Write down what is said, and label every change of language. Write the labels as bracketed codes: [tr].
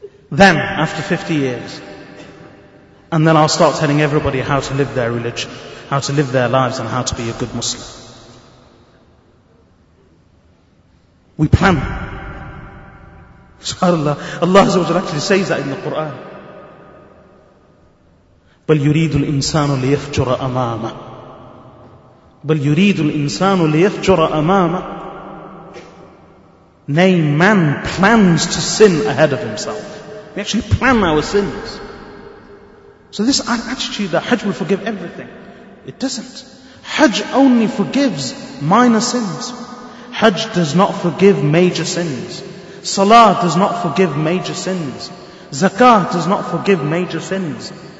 [en] Then, after 50 years, and then I'll start telling everybody how to live their religion, how to live their lives, and how to be a good Muslim. We plan. SubhanAllah. Allah actually says that in the Quran. [ar] بَلْ يُرِيدُ الْإِنسَانُ لِيَفْجُرَ أَمَامَ بَلْ يُرِيدُ الْإِنسَانُ لِيَفْجُرَ أَمَامَ [en] Nay, man plans to sin ahead of himself. We actually plan our sins. So this attitude that Hajj will forgive everything, it doesn't. Hajj only forgives minor sins. Hajj does not forgive major sins. Salah does not forgive major sins. Zakah does not forgive major sins.